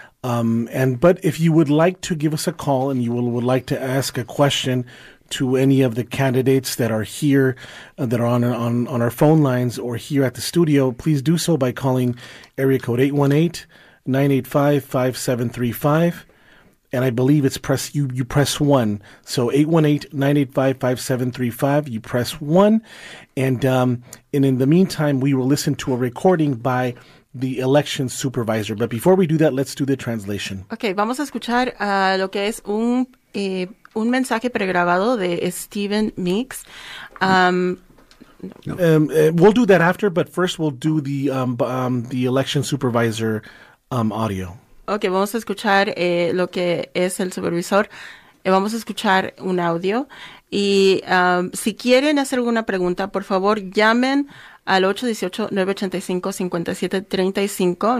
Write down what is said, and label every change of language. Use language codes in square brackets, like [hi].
[en] But if you would like to give us a call and you would like to ask a question to any of the candidates that are here, that are on our phone lines or here at the studio, please do so by calling area code 818-985-5735. And I believe it's you press 1. So 818-985-5735, you press 1. And in the meantime, we will listen to a recording by the election supervisor. But before we do that, let's do the translation. [es] Okay, vamos a escuchar lo que es un mensaje pregrabado de Stephen Meeks. [en] We'll do that after, but first we'll do the election supervisor audio. [es] Okay, vamos a escuchar lo que es el supervisor. Vamos a escuchar un audio. Y si quieren hacer alguna pregunta, por favor, llamen al 818-985-5735.